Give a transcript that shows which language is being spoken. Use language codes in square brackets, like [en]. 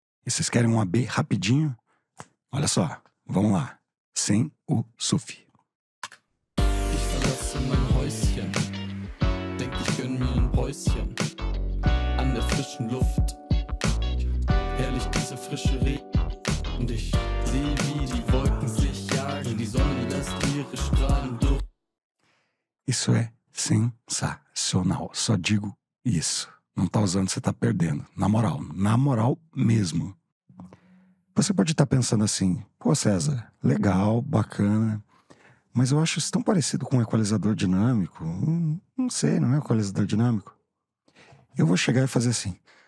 [pt] E vocês querem um AB rapidinho? Olha só, vamos lá. Sem o SUF. [de] Ich verlasse mein Häuschen. Denk ich gönn mir ein Päuschen. An der frischen Luft. Herrlich diese frische Regen. Und ich sehe wie die Wolken sich jagen. Die Sonne lässt ihre Strahlen durch. [pt] Isso é sensacional. Só digo isso. Não tá usando, você tá perdendo. Na moral mesmo. Você pode estar pensando assim, pô César, legal, bacana, mas eu acho isso tão parecido com um equalizador dinâmico. Não sei, não é um equalizador dinâmico? Eu vou chegar e fazer assim.